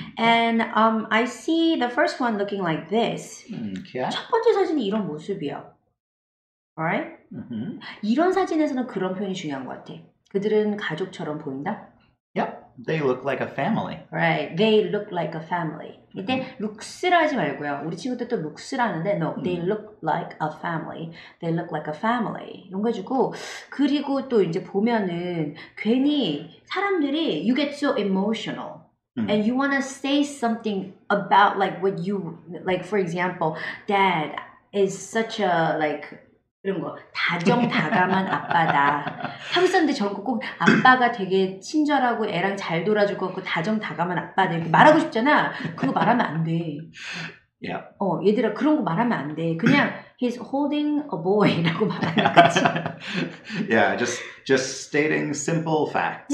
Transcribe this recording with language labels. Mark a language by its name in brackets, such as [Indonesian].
[English] And I see the first one looking like this. Okay. [Korean] 첫 번째 사진이 이런 모습이야. [English] Alright? Mm-hmm. [Korean] 이런 사진에서는 그런 표현이 중요한 것 같아. 그들은 가족처럼 보인다? [English] Yep. They look like a family. Right. They look like a family. [Korean] 이때 looks라 하지 말고요. 우리 친구들 또 looks라 하는데 [English] no. They look like a family. They look like a family. [Korean] 이런 거 주고 그리고 또 이제 보면은 괜히 사람들이 [English] you get so emotional. And you want to say something about like what you like for example, dad is such a like [Korean] 이런 거 다정다감한 아빠다. 항상들 전국 꼭 아빠가 되게 친절하고 애랑 잘 놀아줄 것 같고 다정다감한 아빠다 이렇게 말하고 싶잖아. 그거 말하면 안 돼. 야. 어 얘들아 그런 거 말하면 안 돼. 그냥 [English] he's holding a boy [Korean] 라고 말하는 거지. [English] Yeah, just stating simple facts.